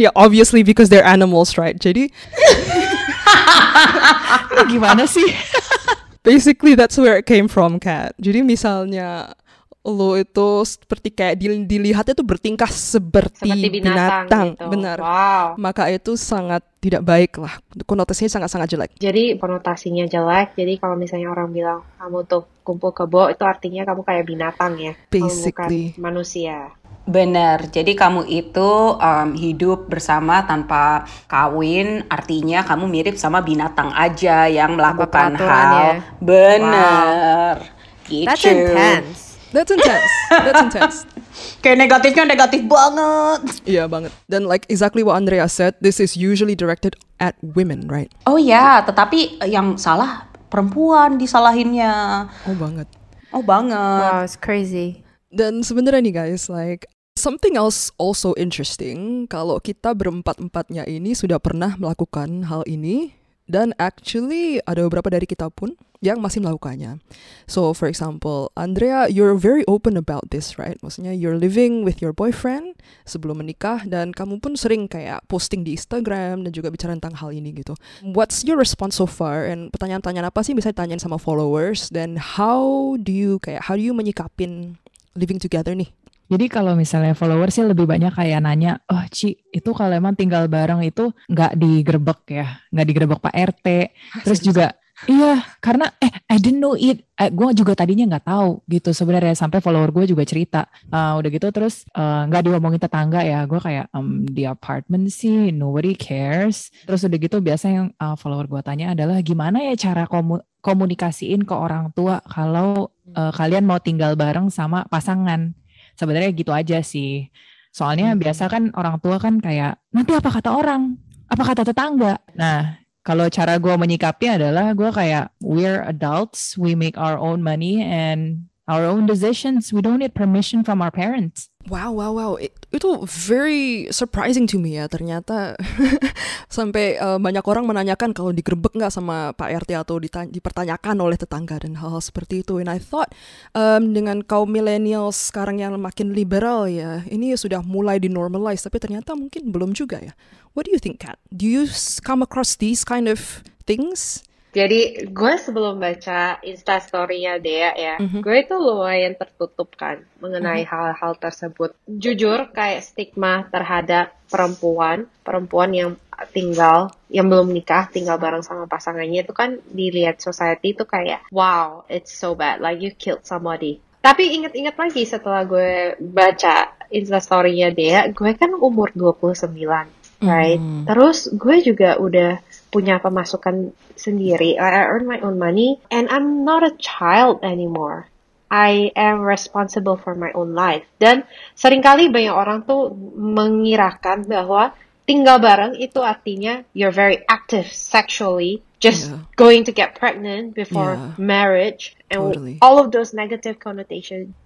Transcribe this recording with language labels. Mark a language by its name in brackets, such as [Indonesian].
[English] Ya obviously because they're animals, right? [Indonesian] Jadi gimana sih? [English] Basically that's where it came from, Kat. [Indonesian] Jadi misalnya lo itu seperti kayak dilihatnya tuh bertingkah seperti binatang. Gitu. Benar. Wow. Maka itu sangat tidak baik lah. Konotasinya sangat-sangat jelek. Jadi konotasinya jelek. Jadi kalau misalnya orang bilang kamu tuh kumpul kebo, itu artinya kamu kayak binatang ya. [English] Basically. [Indonesian] Bukan manusia. Benar. Jadi kamu itu hidup bersama tanpa kawin, artinya kamu mirip sama binatang aja yang melakukan hal. Benar. [English] Wow. That's intense. That's intense. [Indonesian] Kayak negatifnya negatif banget. Iya banget. Dan [English] like exactly what Andrea said, this is usually directed at women, right? [Indonesian] Oh iya, tetapi yang salah perempuan disalahinnya. Oh banget. [English] Wow, it's crazy. [Indonesian] Dan sebenarnya nih guys, [English] like something else also interesting, [Indonesian] kalau kita berempat-empatnya ini sudah pernah melakukan hal ini, dan [English] actually [Indonesian] ada beberapa dari kita pun yang masih melakukannya. [English] So for example, Andrea, you're very open about this, right? [Indonesian] Maksudnya [English] you're living with your boyfriend [Indonesian] sebelum menikah, dan kamu pun sering kayak posting di Instagram dan juga bicara tentang hal ini gitu. [English] What's your response so far? And [Indonesian] pertanyaan-pertanyaan apa sih bisa ditanyain sama followers? [English] Then how do you [Indonesian] menyikapin [English] living together [Indonesian] nih? Jadi kalau misalnya followers sih lebih banyak kayak nanya, oh Ci, itu kalau emang tinggal bareng itu gak digerbek ya, gak digerbek Pak RT. Terus juga Iya, [English] yeah, [Indonesian] karena [English] I didn't know it. [Indonesian] Gue juga tadinya nggak tahu gitu sebenarnya, sampai follower gue juga cerita. Udah gitu terus nggak diomongin tetangga ya. Gue kayak di apartment sih, [English] nobody cares. [Indonesian] Terus udah gitu biasanya yang follower gue tanya adalah gimana ya cara komunikasiin ke orang tua kalau kalian mau tinggal bareng sama pasangan. Sebenarnya gitu aja sih. Soalnya biasa kan orang tua kan kayak nanti apa kata orang, apa kata tetangga. Nah, kalau cara gue menyikapnya adalah gue kayak [English] we're adults, we make our own money and our own decisions. We don't need permission from our parents. Wow, wow, wow. [Indonesian] Itu [English] very surprising to me [Indonesian] ya. Ternyata sampai banyak orang menanyakan kalau digerebek nggak sama Pak RT atau dipertanyakan oleh tetangga dan hal-hal seperti itu. [English] And I thought [Indonesian] dengan kaum milenial sekarang yang makin liberal ya, ini sudah mulai dinormalize. Tapi ternyata mungkin belum juga ya. [English] What do you think, Kat? Do you come across these kind of things? [Indonesian] Jadi gue sebelum baca instastorynya Dea ya, gue itu lumayan tertutup kan mengenai hal-hal tersebut. Jujur kayak stigma terhadap perempuan, perempuan yang tinggal, yang belum nikah, tinggal bareng sama pasangannya itu kan dilihat society itu kayak, [English] wow, it's so bad, like you killed somebody. [Indonesian] Tapi ingat-ingat lagi setelah gue baca instastorynya Dea, gue kan umur 29, [English] right? [Indonesian] Terus gue juga udah punya pemasukan sendiri. [English] I earn my own money and I'm not a child anymore. I am responsible for my own life. [Indonesian] Dan seringkali banyak orang tuh mengirakan bahwa tinggal bareng itu artinya [English] you're very active sexually, just going to get pregnant before marriage and all of those negative connotations.